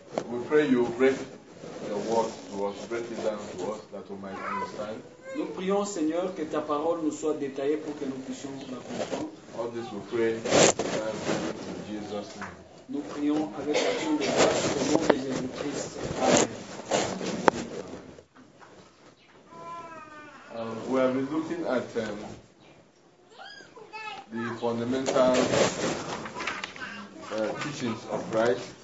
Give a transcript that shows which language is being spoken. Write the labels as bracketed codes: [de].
[en] We pray you break your word to us, break it down to us that we might understand. [fr] Nous prions, Seigneur, que ta parole nous soit détaillée pour que nous puissions la comprendre. [en] All this we pray in Jesus' name. [fr] Nous prions avec la tour de grâce au nom de Jésus-Christ. [en] Amen. We have been looking at the fundamental teachings of Christ.